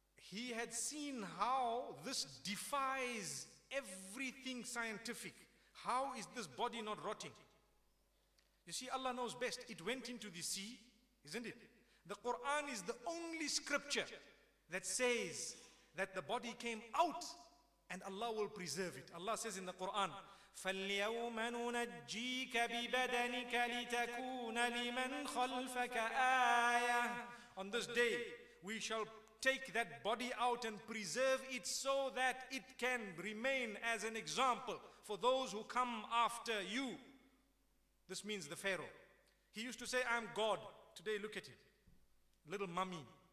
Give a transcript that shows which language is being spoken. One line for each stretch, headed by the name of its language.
English: He had seen how this defies everything scientific. How is this body not rotting? You see, Allah knows best. It went into the sea, isn't it? The Quran is the only scripture that says that the body came out and Allah will preserve it. Allah says in the Quran,
Arabic: فَالْيَوْمَ نُنَجِّيكَ بِبَدَنِكَ لِتَكُونَ لِمَنْ خَلْفَكَ آيَةً.
English: On this day, we shall take that body out and preserve it so that it can remain as an example for those who come after you. This means the Pharaoh. He used to say, I'm God. Today, look at him. Little mummy.